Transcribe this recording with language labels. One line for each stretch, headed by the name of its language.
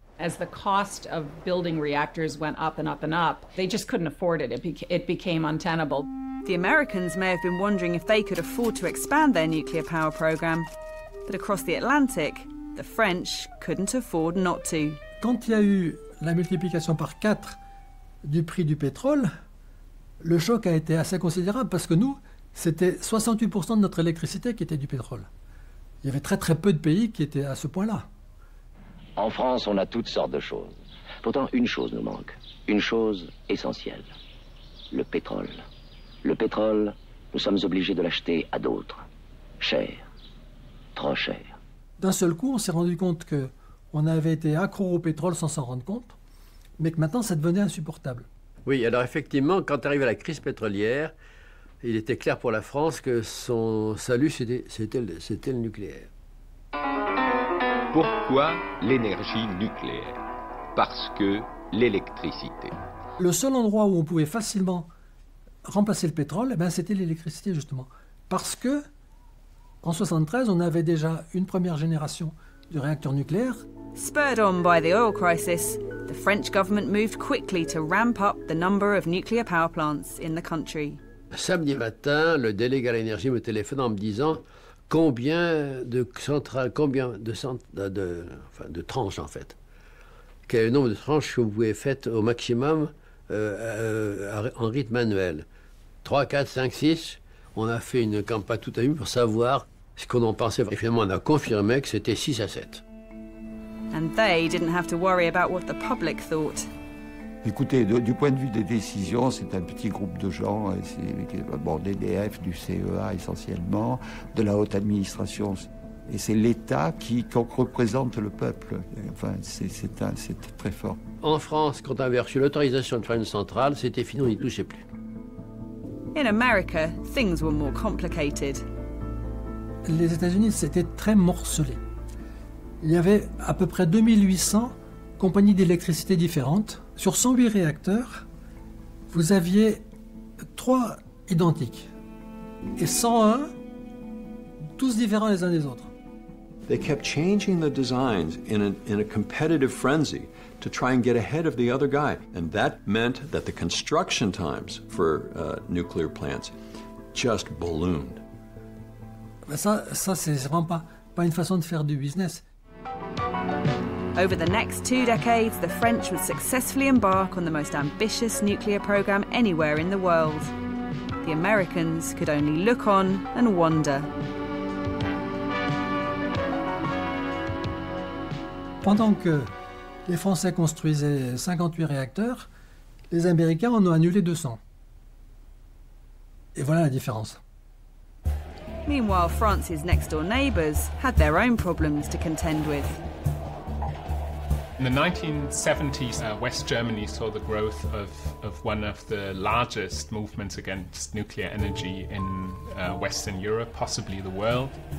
English: As the cost of building reactors went up and up and up, they just couldn't afford it. It became untenable. The Americans may have been wondering if they could afford to expand their nuclear power program, but across the Atlantic, the French couldn't afford not to.
French: Quand il y a eu la multiplication par 4 du prix du pétrole, le choc a été assez considérable parce que nous, c'était 68% de notre électricité qui était du pétrole. Il y avait très très peu de pays qui étaient à ce point-là. En France, on a toutes sortes de choses. Pourtant, une chose nous manque, une chose essentielle, le pétrole. Le pétrole, nous sommes obligés de l'acheter à d'autres. Cher, trop cher. D'un seul coup, on s'est rendu compte qu'on avait été accro au pétrole sans s'en rendre compte, mais que maintenant, ça devenait insupportable. Oui, alors effectivement, quand arrive la crise pétrolière, il était clair pour la France que son salut, c'était le nucléaire. Pourquoi l'énergie nucléaire? Parce que l'électricité. Le seul endroit où on pouvait facilement remplacer le pétrole, eh bien, c'était l'électricité, justement. Parce que, en 73, on avait déjà une première génération de réacteurs nucléaires.
English: Spurred on by the oil crisis, the French government moved quickly to ramp up the number of nuclear power plants in the country.
French: Samedi matin, le délégué à l'énergie me téléphone en me disant combien de centrales, de tranches en fait. Quel nombre de tranches que vous pouvez faire au maximum en rythme manuel. 3, 4, 5, 6. On a fait une campagne tout à l'heure pour savoir ce qu'on en pensait. Et finalement, on a confirmé que c'était 6 à 7.
English: And they didn't have to worry about what the public thought.
French: Écoutez, du point de vue des décisions, c'est un petit groupe de gens, bon, l'EDF, du CEA essentiellement, de la haute administration. Et c'est l'État qui représente le peuple. Enfin, c'est très fort. En France, quand on avait reçu l'autorisation de faire une centrale, c'était fini, on n'y touchait plus.
English: In America, things were more complicated.
French: Les États-Unis, c'était très morcelé. Il y avait à peu près 2800 compagnies d'électricité différentes. Sur 108 réacteurs, vous aviez 3 identiques et 101, tous différents les uns des autres.
English: They kept changing the designs in a competitive frenzy to try and get ahead of the other guy. And that meant that the construction times for nuclear plants just ballooned.
French: Ça c'est vraiment pas une façon de faire du business.
English: Over the next two decades, the French would successfully embark on the most ambitious nuclear program anywhere in the world. The Americans could only look on and wonder.
French: Pendant que les Français construisaient 58 réacteurs, les Américains en ont annulé 200. Et voilà la différence.
English: Meanwhile, France's next-door neighbors had their own problems to contend with. In the 1970s, West Germany saw the growth of one of the largest movements against nuclear energy in Western Europe, possibly the world.